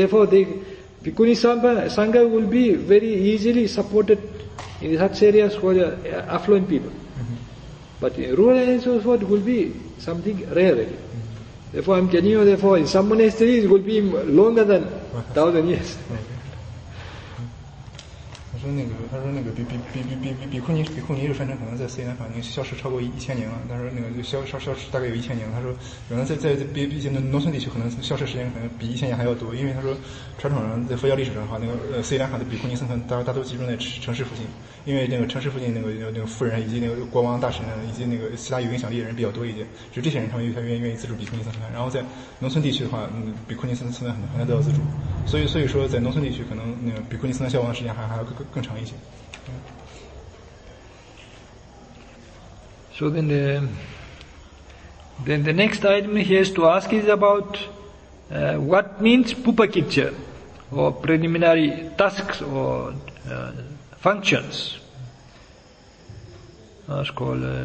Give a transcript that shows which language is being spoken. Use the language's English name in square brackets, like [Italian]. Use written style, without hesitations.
[English] Therefore, the bhikkhuni Sangha will be very easily supported in such areas for the affluent people. But in rural and so forth, it will be something rare. Mm-hmm. Therefore, I'm telling you, therefore, in some monasteries, it will be longer than 1,000 years. Okay. [Chinese] 他说那个比库尼又分成可能在斯里兰卡那个消失超过1000年了，但是那个就消失大概有1000年。他说可能在农村地区可能消失时间可能比1000年还要多，因为他说传统上在佛教历史上的话，那个斯里兰卡的比库尼僧团大都集中在城市附近，因为那个城市附近那个富人以及那个国王大臣以及那个其他有影响力的人比较多一点，就这些人他们又愿意资助比库尼僧团。然后在农村地区的话，比库尼僧团很难得到资助，所以说在农村地区可能那个比库尼僧团消亡的时间还要更长一些。 [English] So then the next item he has to ask is about what means pupakitya or preliminary tasks or functions. That's called